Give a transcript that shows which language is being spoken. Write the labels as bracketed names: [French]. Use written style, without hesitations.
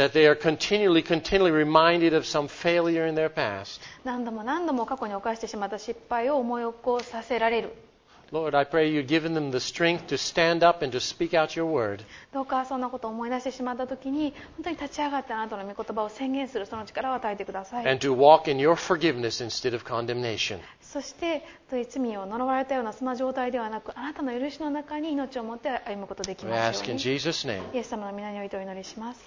[English] That they are continually reminded of some failure in their past. [Japanese] 何度も何度も過去に犯してしまった失敗を思い起こさせられる。 [English] Lord, I pray you've given them the strength to stand up and to speak out your word. [Japanese] どうかそんなことを思い出してしまったときに、本当に立ち上がってあなたの御言葉を宣言するその力を与えてください。 [English] And to walk in your forgiveness instead of condemnation. [Japanese] そして、罪を呪われたようなその状態ではなく、あなたの許しの中に命を持って歩むことができますように。 [English] We ask in Jesus' name. [Japanese] イエス様の御名においてお祈りします。